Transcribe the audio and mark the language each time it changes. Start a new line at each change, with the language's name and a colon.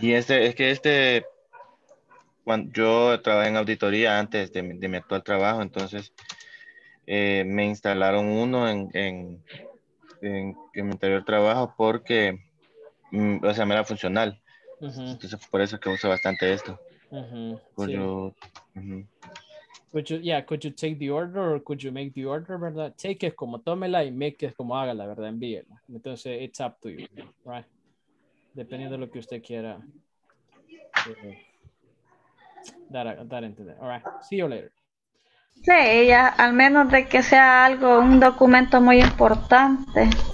Spanish: Y es que cuando yo trabajé en auditoría antes de mi actual trabajo, entonces me instalaron uno en mi anterior trabajo porque, o sea, me era funcional. Uh-huh. Entonces, por eso es que uso bastante esto. Uh-huh. Pues sí. Yo...
English: Could you, yeah, could you take the order or could you make the order, verdad?
Spanish: Take es como tómela y make es como hágala, verdad, envíela. Entonces,
English: it's up to you, right?
Spanish: Dependiendo de lo que usted quiera.
English: That entender. All right, see you later.
Spanish: Sí, ella, al menos de que sea algo, un documento muy importante.